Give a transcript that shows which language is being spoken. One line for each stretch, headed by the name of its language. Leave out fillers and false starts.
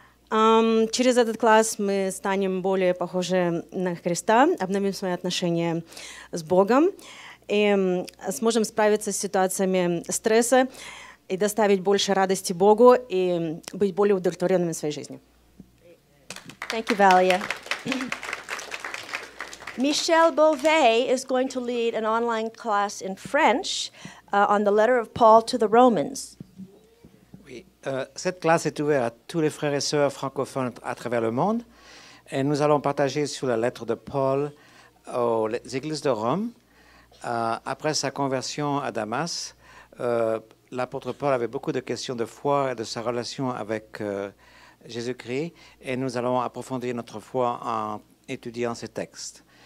Russian: Через этот класс мы станем более похожи на Христа, обновим свои отношения с Богом и сможем справиться с ситуациями стресса, и доставить больше радости Богу и быть более удовлетворенными в своей жизни.
English: Thank you, Valia. Michelle Beauvais is going to lead an online class in French on the letter of Paul to the Romans.
French: Oui, cette classe est ouverte à tous les frères et sœurs francophones à travers le monde, et nous allons partager sur la lettre de Paul aux églises de Rome après sa conversion à Damas. L'apôtre Paul avait beaucoup de questions de foi et de sa relation avec Jésus-Christ, et nous allons approfondir notre foi en étudiant ces textes.